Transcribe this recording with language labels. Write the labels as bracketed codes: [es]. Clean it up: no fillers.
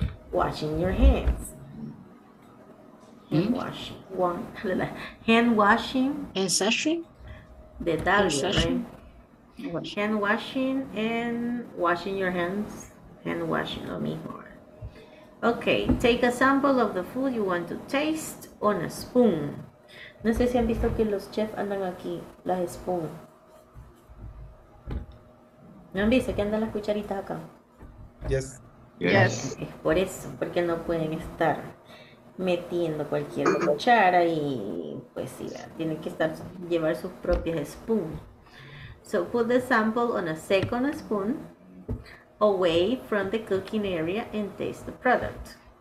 [en] Washing your hands. Hand washing. Hand washing. And sashing. The W, right? Hand washing and washing your hands. [es] Hand washing, lo mismo. [en] Okay, take a sample of the food you want to taste on a spoon. [es] No sé si han visto que los chefs andan aquí, las spoon. ¿No han visto que andan las cucharitas acá? [en] Yes. Yes. [es] Es por eso, porque no pueden estar metiendo cualquier cuchara y pues sí, tienen que estar llevar sus propias spoon. [en] So put the sample on a second spoon away from the cooking area and taste the product.